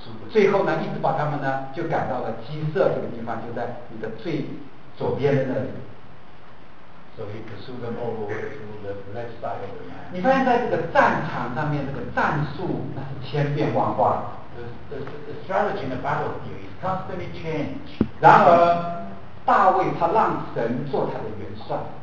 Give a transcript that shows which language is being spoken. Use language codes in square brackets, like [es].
[zh] 最后呢，一直把他们呢，就赶到了基色这个地方，就在你的最左边的那里。 [en] So he pursued them all the way to the left side of the map. [zh] 你发现在这个战场上面，这个战术那是千变万化。 [en] The strategy in the battlefield is constantly change. [zh] 然而，大卫他让神做他的元帅。